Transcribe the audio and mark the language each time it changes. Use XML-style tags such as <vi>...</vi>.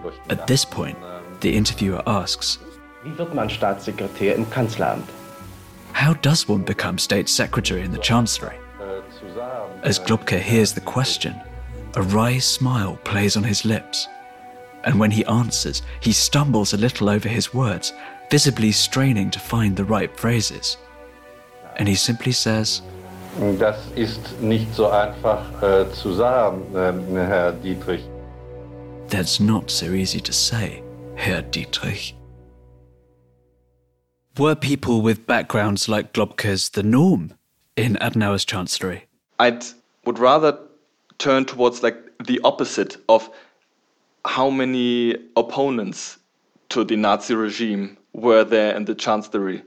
<en>At this point, the interviewer asks,</en> <de>"Wie wird man Staatssekretär im Kanzleramt?"</de> <en>How does one become State Secretary in the Chancellery? As Globke hears the question, a wry smile plays on his lips. And when he answers, he stumbles a little over his words, visibly straining to find the right phrases. And he simply says,</en> <de>"Das ist nicht so einfach zu sagen, Herr Dietrich."</de> <en>That's not so easy to say, Herr Dietrich. Were people with backgrounds like Globke's the norm in Adenauer's chancellery? I would rather turn towards like the opposite of how many opponents to the Nazi regime were there in the chancellery.</en>